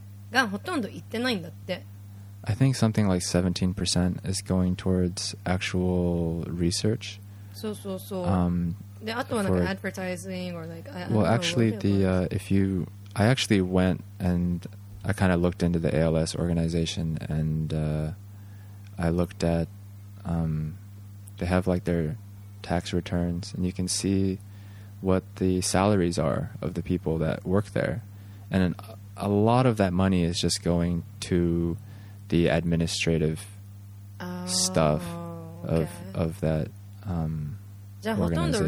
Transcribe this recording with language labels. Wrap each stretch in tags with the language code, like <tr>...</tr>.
<ja>がほとんど行ってないんだって</ja> <en>I think something like 17% is going towards actual research</en> <ja>そうそうそう、であとはなんか</ja> <en>advertising or like well actually the、if you I actually went and I kind of looked into the ALS organization and I looked at they have like their tax returns and you can see what the salaries are of the people that work there and anA lot of that money is just going to the administrative stuff of that organization.</en>